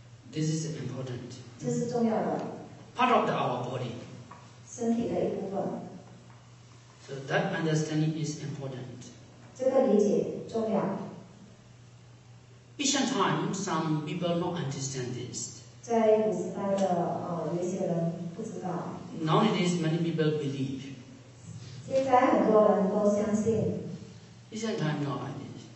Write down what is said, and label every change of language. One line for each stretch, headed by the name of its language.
English: This is important. Part of our body. So that understanding is important. Ancient times, some people don't understand this.
Chinese: 在古时代的有些人不知道。
English: Nowadays, many people believe.
Chinese: 现在很多人都相信。
English: 以前 time not like this.